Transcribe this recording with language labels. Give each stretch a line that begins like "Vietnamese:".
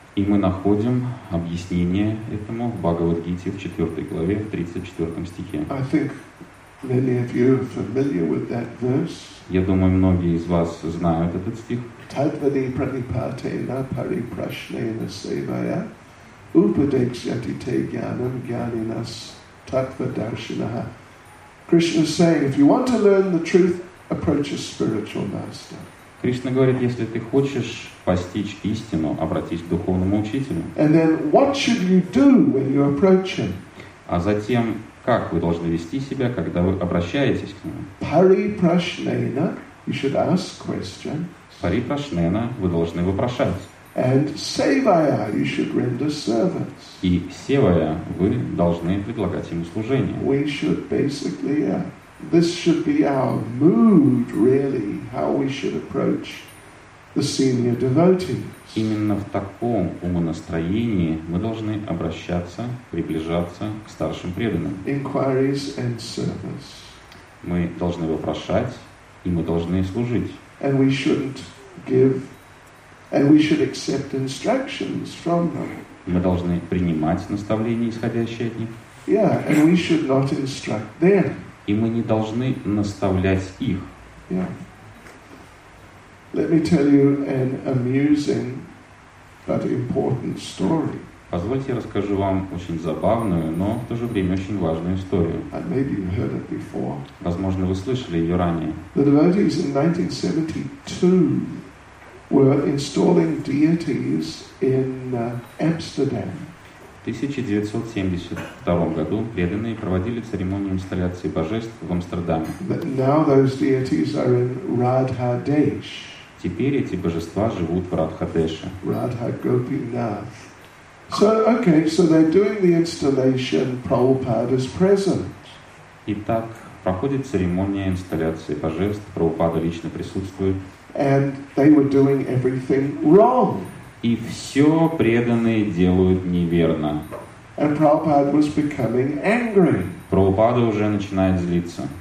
Russian: И мы находим объяснение этому в Бхагавад Гите в 4 главе, в 34 стихе.
English: I think many of you are familiar with that verse.
Russian: Я думаю, многие из вас знают этот стих.
Sanskrit: Тадвади прадипате на пари прашне на севая. Upadekshati te jnanam jnaninas tattva darshanaha.
English: Krishna is saying, if you want to learn the truth, approach a spiritual master.
Russian: Кришна говорит, если ты хочешь постичь истину, обратись к духовному учителю.
English: And then, what should you do when you approach him?
Russian: А затем, как вы должны вести себя, когда вы обращаетесь к нему?
English: Pariprashnena, you should ask questions.
Russian: Pariprashnena, вы должны вопрошать.
English: And sevaya, you should render service.
Russian: И севая, вы должны предлагать ему служение.
English: We should basically, this should be our mood, really, how we should approach the senior devotees.
Russian: Именно в таком умонастроении мы должны обращаться, приближаться к старшим преданным.
English: Inquiries and service.
Russian: Мы должны вопрошать, и мы должны служить.
English: And we shouldn't give And we should accept instructions from them.
Russian: Мы должны принимать наставления, исходящие от них.
English: Yeah, and we should not instruct them.
Russian: И мы не должны наставлять их.
English: Yeah. Let me tell you an amusing but important story.
Russian: Позвольте, я расскажу вам очень забавную, но в то же время очень важную историю.
English: And maybe you heard it before.
Russian: Возможно, вы слышали ее ранее.
English: The devotees in 1972 were installing deities in Amsterdam.
Russian: В 1972 году преданные проводили церемонию инсталляции божеств в Амстердаме.
English: But now those deities are in Radha Desh.
Russian: Теперь эти божества живут в Радха-Деше.
English: Radha Gopinath. So, okay, so they're doing the installation, Prabhupada is present.
Russian: Итак, проходит церемония инсталляции божеств, Прабхупада лично присутствует.
English: And they were doing everything wrong.
Russian: И все преданные делают неверно.
English: And Prabhupada was becoming angry.
Russian: Прабхупада уже начинает злиться.